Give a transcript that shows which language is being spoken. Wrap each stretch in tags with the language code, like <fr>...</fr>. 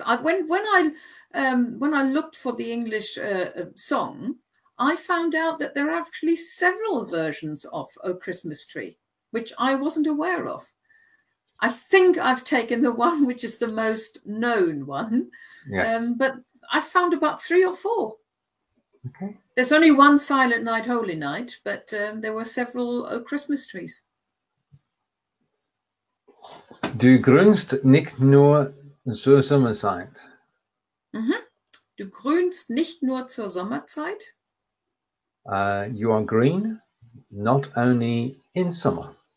<en>When I looked for the English song, I found out that there are actually several versions of O Christmas Tree, which I wasn't aware of. I think I've taken the one which is the most known one. Yes. But I found about three or four. Okay. There's only one Silent Night, Holy Night, but there were several O Christmas Trees.</en> <de>Du grünst nicht nur zur Sommerzeit.</de> <en>Mm-hmm.</en> <de>Du grünst nicht nur zur Sommerzeit.</de> <en>You are green, not only in summer.</en>